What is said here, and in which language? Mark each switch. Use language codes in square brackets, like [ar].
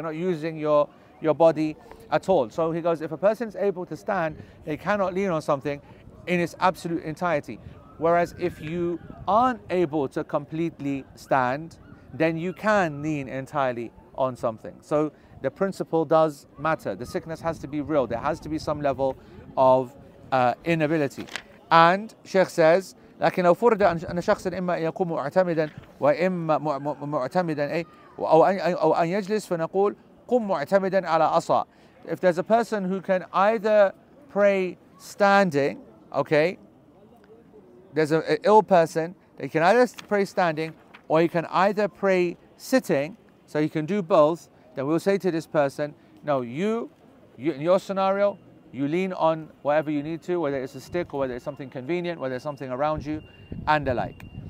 [en] You're not using your body at all. So he goes, if a person's able to stand, they cannot lean on something in its absolute entirety. Whereas if you aren't able to completely stand, then you can lean entirely on something. So the principle does matter. The sickness has to be real. There has to be some level of inability. And Sheikh says, [ar] لكن لو فرض أن شخصا إما يقوم معتمدا وإما معتمدا أي أو أن يجلس فنقول قم معتمدا على أصا. [en] If there's a person who can either pray standing, okay, there's an ill person, they can either pray standing or he can either pray sitting, so he can do both, then we'll say to this person, no, you in your scenario, you lean on whatever you need to, whether it's a stick or whether it's something convenient, whether it's something around you, and the like.